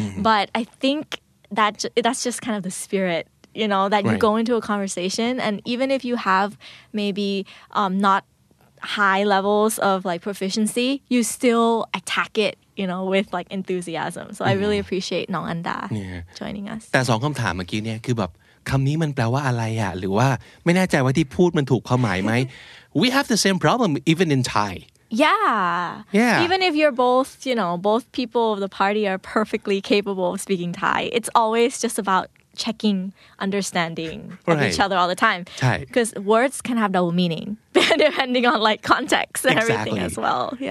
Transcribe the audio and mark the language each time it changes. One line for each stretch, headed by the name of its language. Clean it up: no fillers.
English: But I think that's just kind of the spirit. You know, that you go into a conversation and even if you have maybe not high levels of like proficiency, you still attack it, you know, with like enthusiasm. So I really appreciate Nong Anda joining us.
Thai: แต่สองคำถามเมื่อกี้เนี่ยคือแบบคำนี้มันแปลว่าอะไรอ่ะหรือว่าไม่แน่ใจว่าที่พูดมันถูกความหมายไหม
English: We have the same problem even in Thai. Yeah. Even if you're both, you know, both people of the party are perfectly capable of speaking Thai, it's always just about... checking understanding of each other all the time because words can have double meaning depending on like context and everything as well